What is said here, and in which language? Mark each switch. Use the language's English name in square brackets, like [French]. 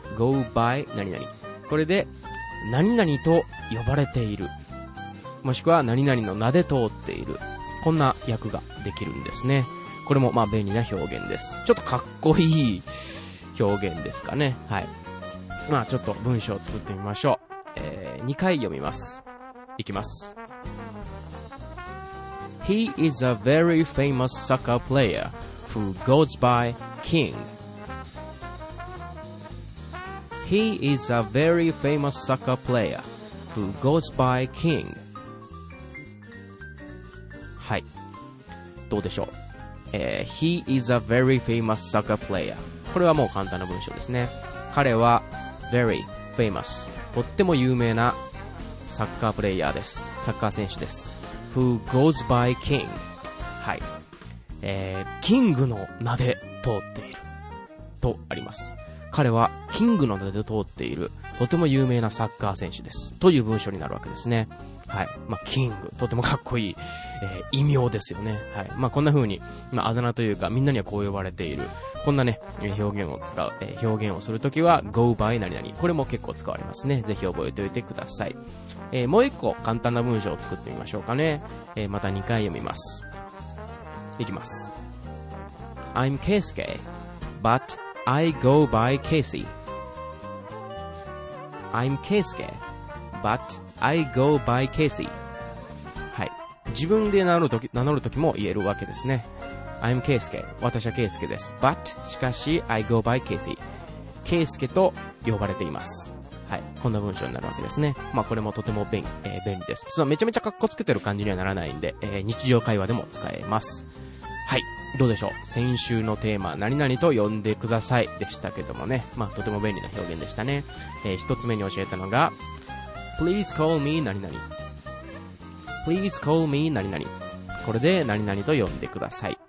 [English] go by 何々、 [Japanese] これで何々と呼ばれている、もしくは何々の名で通っている、こんな訳ができるんですね。これもまあ便利な表現です。ちょっとかっこいい表現ですかね。はい。まあちょっと文章を作ってみましょう。 2回読みます。いきます。 [English] He is a very famous soccer player who goes by King. He is a very famous soccer player who goes by King. [Japanese] はい、どうでしょう。 [English] He is a very famous soccer player. [Japanese] これはもう簡単な文章ですね。彼は [English] very famous、 [Japanese] とっても有名なサッカープレイヤーです。サッカー選手です。 [English] Who goes by King。 [Japanese] はい、キングの名で通っているとあります。彼はキングの名で通っているとても有名なサッカー選手ですという文章になるわけですね。はい、まあ、キングとてもかっこいい、異名ですよね。はい、まあ、こんな風に、まあ、あだ名というかみんなにはこう呼ばれている、こんなね表現を使う、表現をするときは [English] go by 何々、 [Japanese] これも結構使われますね。ぜひ覚えておいてください。もう一個簡単な文章を作ってみましょうかね。また2回読みます。いきます。 [English] I'm Keisuke but I go by Casey. I'm Keisuke but I go by Casey. [Japanese] はい、自分で名乗るときも言えるわけですね。 [English] I'm Keisuke、 [Japanese] 私は Keisuke です。 but しかし [English] I go by Casey、 [Japanese] Keisuke と呼ばれています。はい、こんな文章になるわけですね。まあこれもとても便利です。そのめちゃめちゃかっこつけてる感じにはならないんで、日常会話でも使えます。はい、どうでしょう。先週のテーマ何々と呼んでくださいでしたけどもね、まあとても便利な表現でしたね。一つ目に教えたのが [English] Please call me 何々、 [Japanese] Please call me 何々、これで何々と呼んでください。